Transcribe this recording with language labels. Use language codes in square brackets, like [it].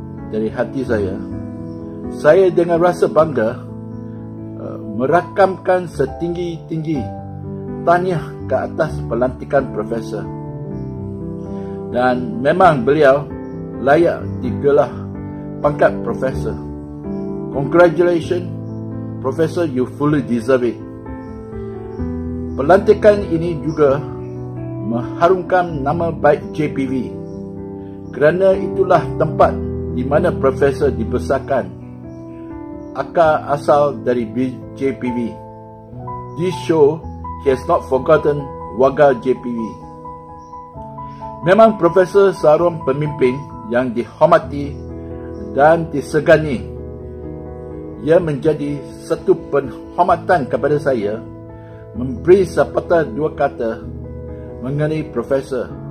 [ms] Dari hati saya dengan rasa bangga merakamkan setinggi-tinggi tahniah ke atas pelantikan Profesor. Dan memang beliau layak digelar pangkat Profesor. [en] Congratulations, Professor, you fully deserve it. [ms] Pelantikan ini juga mengharumkan nama baik JPV, kerana itulah tempat di mana Profesor dibesarkan, akar asal dari JPV. [en] This show he has not forgotten warga JPV. [ms] Memang Profesor seorang pemimpin yang dihormati dan disegani. Ia menjadi satu penghormatan kepada saya memberi sepatah dua kata mengenai Profesor.